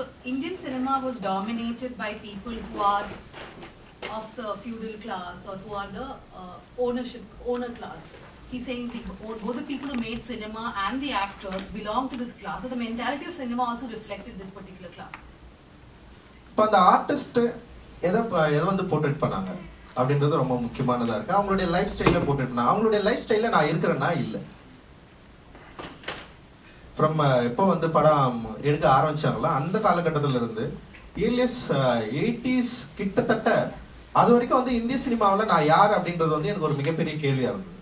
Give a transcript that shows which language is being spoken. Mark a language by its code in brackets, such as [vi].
[en] Indian cinema was dominated by people who are of the feudal class or who are the ownership owner class. He's saying the both the people who made cinema and the actors belong to this class. So the mentality of cinema also reflected this particular class. [ta] இப்போ அந்த artist எதை வந்து portrait பண்ணாங்க அப்படின்றது ரொம்ப முக்கியமானதாக இருக்குது. அவங்களுடைய லைஃப் ஸ்டைலில் போர்ட்ரேட் பண்ணாங்க. அவங்களுடைய லைஃப் ஸ்டைலில் நான் இருக்கிறேன்னா இல்லை. ஃப்ரம் எப்போ வந்து படம் எடுக்க ஆரம்பித்தாங்களோ அந்த காலகட்டத்திலிருந்து ஏர்லியஸ் 80s கிட்டத்தட்ட அது வரைக்கும் வந்து இந்திய சினிமாவில் நான் யார் அப்படின்றது வந்து எனக்கு ஒரு மிகப்பெரிய கேள்வியாக இருந்தது.